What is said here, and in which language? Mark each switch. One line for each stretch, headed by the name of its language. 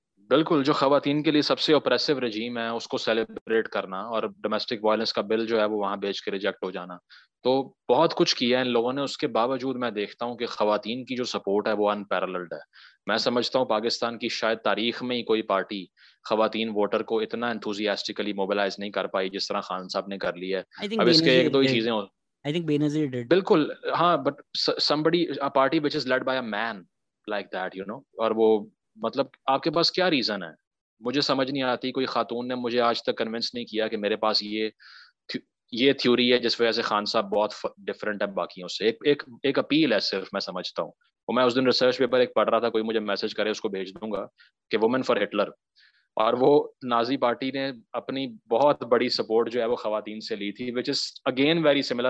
Urdu: بالکل, جو خواتین کے لیے سب سے اوپریسو رجیم ہے اس کو سیلیبریٹ کرنا اور ڈومیسٹک وائلنس کا بل جو ہے وہ وہاں بھیج کے ریجیکٹ ہو جانا. تو بہت کچھ کیا ہے ان لوگوں نے, اس کے باوجود میں دیکھتا ہوں کہ خواتین کی جو سپورٹ ہے وہ ان پیرللڈ ہے. میں سمجھتا ہوں پاکستان کی شاید تاریخ میں ہی کوئی پارٹی خواتین ووٹر کو اتنا انتھوزیاسٹکلی موبلائز نہیں کر پائی جس طرح خان صاحب نے کر لی ہے. اب اس کے ایک دو ہی چیزیں,
English: I think Benazir dead,
Urdu: بالکل ہاں,
English: But somebody, party which is led by a man like that you know.
Urdu: اور وہ مطلب آپ کے پاس کیا ریزن ہے؟ مجھے سمجھ نہیں آتی, کوئی خاتون نے مجھے آج تک کنونس نہیں کیا کہ میرے پاس یہ یہ تھیوری ہے جس وجہ سے خان صاحب بہت ڈفرینٹ ہے باقیوں سے. ایک ایک اپیل ہے صرف, میں سمجھتا ہوں. وہ میں اس دن ریسرچ پیپر ایک پڑھ رہا تھا, کوئی مجھے میسج کرے اس کو بھیج دوں گا کہ وومن فار ہٹلر, اور وہ نازی پارٹی نے اپنی بہت بڑی سپورٹ جو ہے وہ خواتین سے لی تھی,
English: Which is again very similar.